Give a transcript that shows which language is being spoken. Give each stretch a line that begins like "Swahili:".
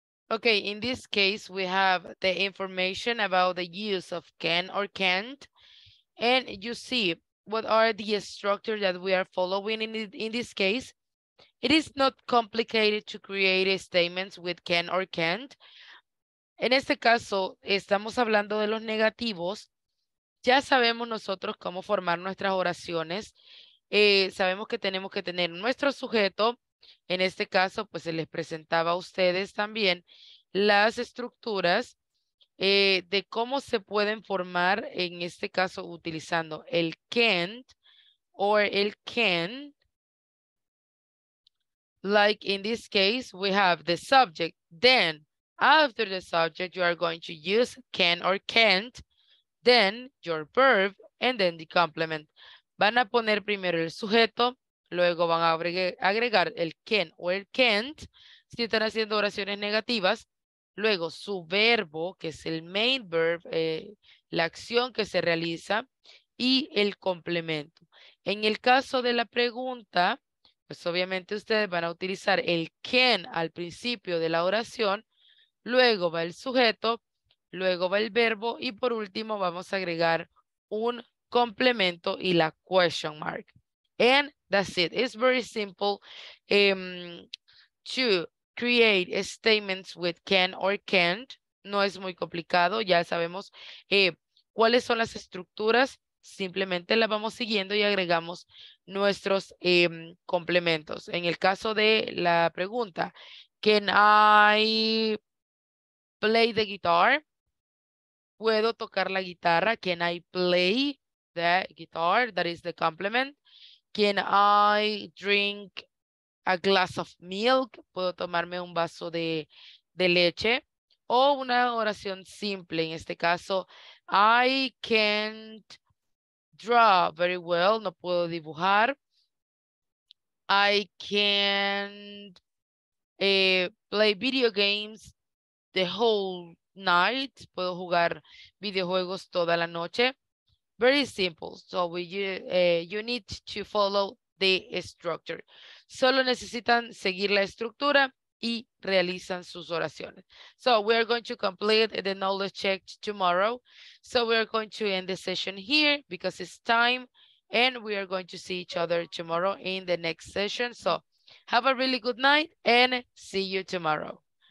English: Okay, in this case, we have the information about the use of can or can't. And you see, what are the structures that we are following in this case? It is not complicated to create statements with can or can't.
Spanish: En este caso, estamos hablando de los negativos. Ya sabemos nosotros cómo formar nuestras oraciones. Sabemos que tenemos que tener nuestro sujeto. En este caso, pues se les presentaba a ustedes también las estructuras de cómo se pueden formar, en este caso, utilizando el can't o el can.
English: Like in this case, we have the subject. Then, after the subject, you are going to use can or can't. Then, your verb, and then the complement.
Spanish: Van a poner primero el sujeto. Luego van a agregar el can o el can't, si están haciendo oraciones negativas. Luego su verbo, que es el main verb, la acción que se realiza, y el complemento. En el caso de la pregunta, pues obviamente ustedes van a utilizar el can al principio de la oración, luego va el sujeto, luego va el verbo, y por último vamos a agregar un complemento y la question mark.
English: And that's it. It's very simple to create statements with can or can't.
Spanish: No es muy complicado. Ya sabemos cuáles son las estructuras. Simplemente las vamos siguiendo y agregamos nuestros complementos. En el caso de la pregunta,
English: can I play the guitar?
Spanish: ¿Puedo tocar la guitarra?
English: Can I play the guitar? That is the complement. Can I drink a glass of milk?
Spanish: ¿Puedo tomarme un vaso de leche? O una oración simple, en este caso,
English: I can't draw very well,
Spanish: no puedo dibujar. I can't play video games the whole night, puedo jugar videojuegos toda la noche. Very simple.
English: So you need to follow the structure.
Spanish: Solo necesitan seguir la estructura y realizan sus oraciones.
English: So we are going to complete the knowledge check tomorrow. So we are going to end the session here because it's time, and we are going to see each other tomorrow in the next session. So have a really good night and see you tomorrow.